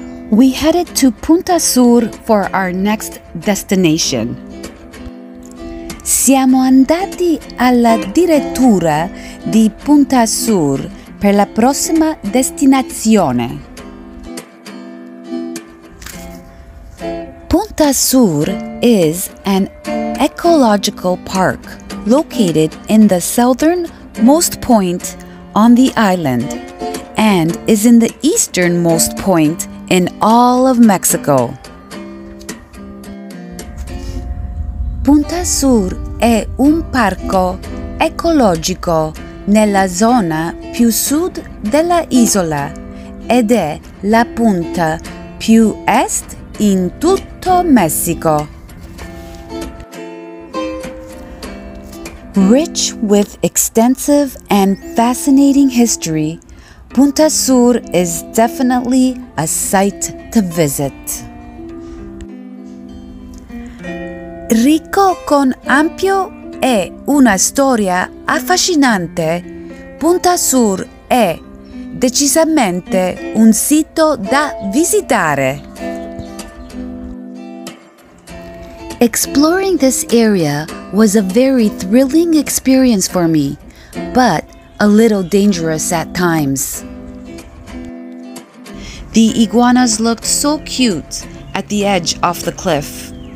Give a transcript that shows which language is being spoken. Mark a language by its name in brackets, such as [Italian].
[English] We headed to Punta Sur for our next destination. [Italian] Siamo andati alla direttura di Punta Sur per la prossima destinazione. [English] Punta Sur is an ecological park located in the southernmost point on the island and is in the easternmost point in all of Mexico. [Italian] Punta Sur è un parco ecologico nella zona più sud della isola ed è la punta più est in tutto Messico. [English] Rich with extensive and fascinating history, Punta Sur is definitely a sight to visit. [Italian] Ricco con ampio e una storia affascinante, Punta Sur è decisamente un sito da visitare. [English] Exploring this area was a very thrilling experience for me, but a little dangerous at times. The iguanas looked so cute at the edge of the cliff.